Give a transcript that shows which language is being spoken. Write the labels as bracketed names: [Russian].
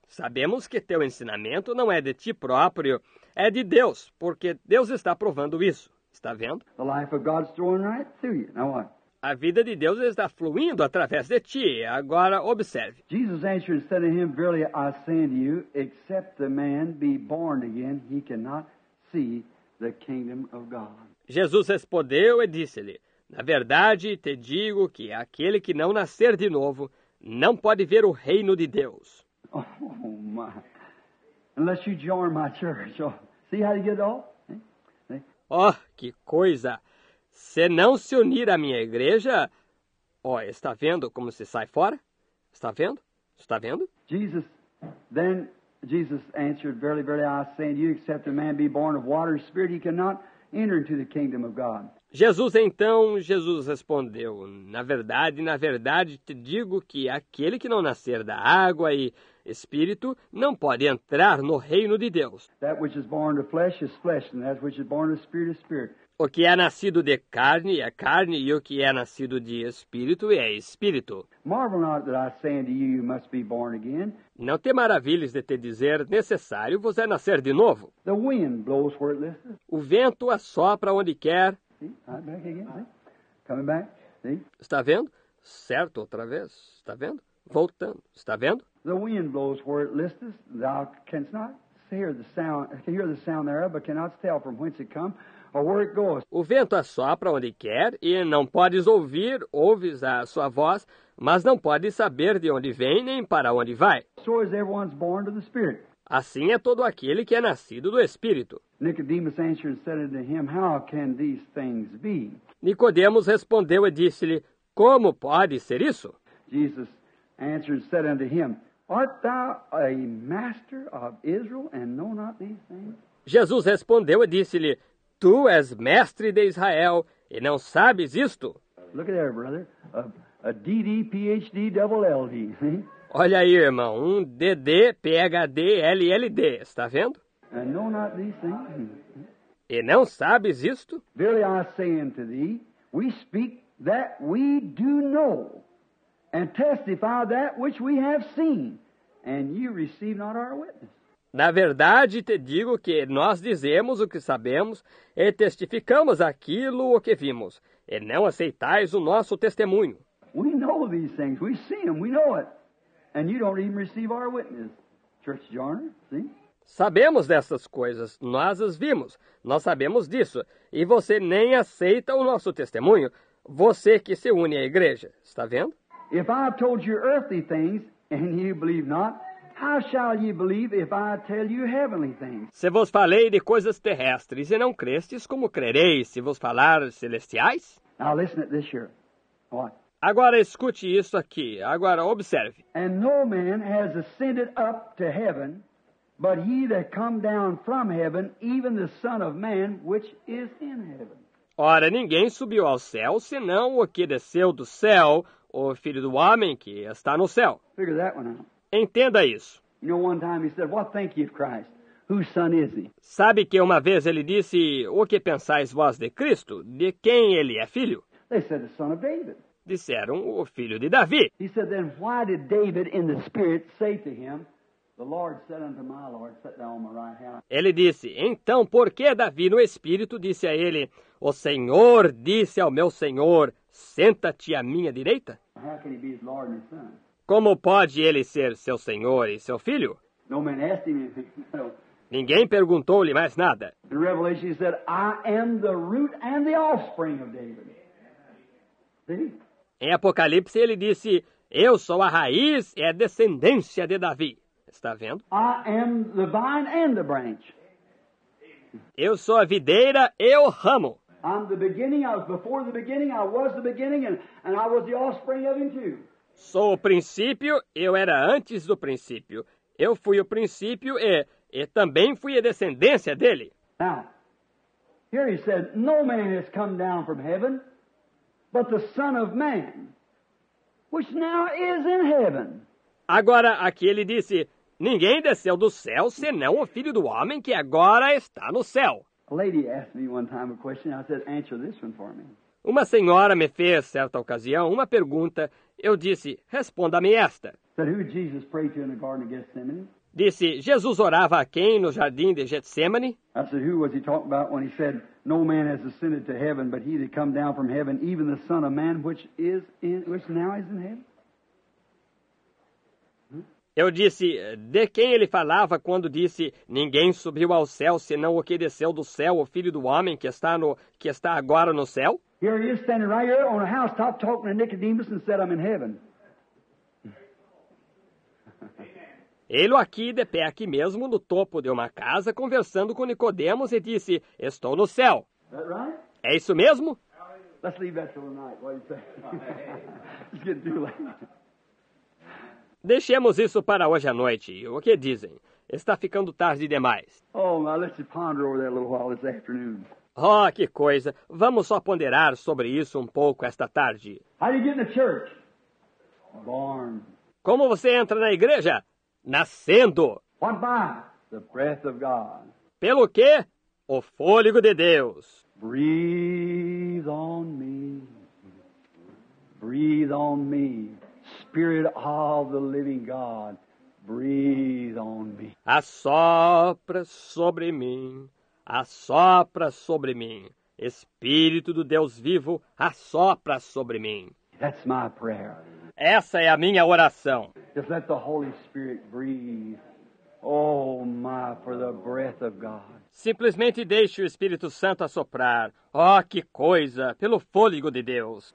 [Portuguese] Sabemos que teu ensinamento não é de ti próprio, é de Deus, porque Deus está provando isso. Está vendo? [English] The life of God's flowing right through you. Now what? [Portuguese] A vida de Deus está fluindo através de ti. Agora observe. [English] Jesus answered and said to him, Verily I say unto you, except the man be born again, he cannot see the kingdom of God. [Portuguese] Jesus respondeu e disse-lhe, Na verdade, te digo que aquele que não nascer de novo, não pode ver o reino de Deus. [English] Oh, my. Unless you join my church. Oh, see how you get all? [Portuguese] Oh, que coisa! Se não se unir à minha igreja, ó, está vendo como se sai fora? Está vendo? Está vendo? [English] Jesus, then Jesus answered, Verily, verily, I say unto you, except a man be born of water and spirit, he cannot enter into the kingdom of God. [Portuguese] Jesus respondeu, na verdade, te digo que aquele que não nascer da água e espírito não pode entrar no reino de Deus. [English] That which is born of flesh is flesh, and that which is born of spirit is spirit. [Portuguese] O que é nascido de carne é carne, e o que é nascido de espírito é espírito. [English] Marvel not that I say unto you, you must be born again. [Portuguese] Não te maravilhes de te dizer, necessário vos é nascer de novo. [English] The wind blows where it listeth. [Portuguese] O vento assopra onde quer. [English] See? Back again. See? Coming back. See? [Portuguese] Está vendo? Certo, outra vez. Está vendo? Voltando. Está vendo? [English] The wind blows where it listeth. Thou canst not hear the sound thereof, but cannot tell from whence it come. [Portuguese] O vento assopra onde quer e não podes ouvir, ouves a sua voz, mas não podes saber de onde vem nem para onde vai. [English] So is everyone's born to the Spirit. [Portuguese] Assim é todo aquele que é nascido do Espírito. [English] Nicodemus answered and said to him, How can these things be? [Portuguese] Nicodemos respondeu e disse-lhe, Como pode ser isso? [English] Jesus answered and said unto him, Art thou a master of Israel and know not these things? [Portuguese] Jesus respondeu e disse-lhe, Tu és mestre de Israel e não sabes isto? [English] Look at there, brother. A DD, PhD, double LD. [Portuguese] Olha aí, irmão. Um DD, PhD, LLD. Está vendo? [English] And know not these things. [Portuguese] E não sabes isto? [English] Verily I say unto thee, we speak that we do know, and testify that which we have seen, and ye receive not our witness. [Portuguese] Na verdade, te digo que nós dizemos o que sabemos e testificamos aquilo o que vimos, e não aceitais o nosso testemunho. [English] We know these things, we see them, we know it. And you don't even receive our witness. Church Jarner, see? [Portuguese] Sabemos dessas coisas, nós as vimos, nós sabemos disso, e você nem aceita o nosso testemunho, você que se une à igreja, está vendo? [English] If I told you earthly things and you believe not, How shall ye believe if I tell you heavenly things? [Portuguese] Se vos falei de coisas terrestres e não crestes, como crereis se vos falar celestiais? [English] Now listen at this here. What? [Portuguese] Agora escute isso aqui. Agora observe. [English] And no man has ascended up to heaven, but he that come down from heaven, even the Son of Man, which is in heaven. [Portuguese] Ora, ninguém subiu ao céu, senão o que desceu do céu, o Filho do Homem que está no céu. [English] Figure that one out. [Portuguese] Entenda isso. [English] You know, one time he said, What think ye of Christ? Whose son is he? [Portuguese] Sabe que uma vez ele disse, o que pensais vós de Cristo? De quem ele é filho? [English] They said the son of David. [Portuguese] Disseram, o filho de Davi. [English] He said, then why did David in the spirit say to him, the Lord said unto my Lord, sit down on my right hand. [Portuguese] Ele disse, então por que Davi no espírito disse a ele, o Senhor disse ao meu Senhor, senta-te à minha direita? [English] How can he be his Lord and his son? [Portuguese] Como pode ele ser seu Senhor e seu filho? [English] No man asked him anything. No. [Portuguese] Ninguém perguntou-lhe mais nada. [English] In Revelation he said, I am the root and the offspring of David. See? [Portuguese] Em Apocalipse, ele disse, eu sou a raiz e a descendência de Davi. Está vendo? [English] I am the vine and the branch. [Portuguese] Eu sou a videira e o ramo. [English] I'm the beginning, I was before the beginning, I was the beginning, and I was the offspring of him too. [Portuguese] Sou o princípio, eu era antes do princípio. Eu fui o princípio e também fui a descendência dele. [English] Now, here he said, no man has come down from heaven, but the Son of Man, which now is in heaven. [Portuguese] Agora, aqui ele disse, ninguém desceu do céu, senão o Filho do Homem, que agora está no céu. [English] A lady asked me one time a question, I said, answer this one for me. [Portuguese] Uma senhora me fez, certa ocasião, uma pergunta. Eu disse, responda-me esta. [English] Said, who Jesus prayed to in the Garden of Gethsemane? [Portuguese] Disse, Jesus orava a quem no jardim de Getsemane? [English] I said, who was he talking about when he said, no man has ascended to heaven, but he that come down from heaven, even the Son of Man, which now is in heaven? [Portuguese] Eu disse, de quem ele falava quando disse, ninguém subiu ao céu, senão o que desceu do céu, o Filho do Homem, que está agora no céu? [English] Here he is standing right here on a housetop talking to Nicodemus and said, I'm in heaven. [Portuguese] Ele aqui, de pé aqui mesmo, no topo de uma casa, conversando com Nicodemus e disse, estou no céu. [English] That right? [Portuguese] É isso mesmo? [English] Let's leave that till tonight, what do you say? It's getting too late. [Portuguese] Deixemos isso para hoje à noite. O que dizem? Está ficando tarde demais. [English] Oh, now let's ponder over that a little while this afternoon. [Portuguese] Oh, que coisa. Vamos só ponderar sobre isso um pouco esta tarde. [English] How do you get in the church? Born. [Portuguese] Como você entra na igreja? Nascendo. [English] What by? The breath of God. [Portuguese] Pelo quê? O fôlego de Deus. [English] Breathe on me. Breathe on me. Spirit of the living God, breathe on me. [Portuguese] Assopra sobre mim, assopra sobre mim. Espírito do Deus vivo, assopra sobre mim. [English] That's my prayer. [Portuguese] Essa é a minha oração. [English] Just let the Holy Spirit breathe. Oh my, for the breath of God. [Portuguese] Simplesmente deixe o Espírito Santo assoprar. Oh, que coisa, pelo fôlego de Deus.